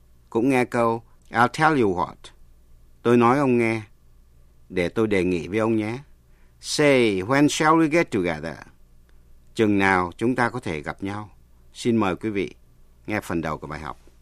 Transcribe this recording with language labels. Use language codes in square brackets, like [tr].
[vi] Cũng nghe câu [en] I'll tell you what, [vi] tôi nói ông nghe, để tôi đề nghị với ông nhé. [en] Say, when shall we get together? [vi] Chừng nào chúng ta có thể gặp nhau? Xin mời quý vị nghe phần đầu của bài học.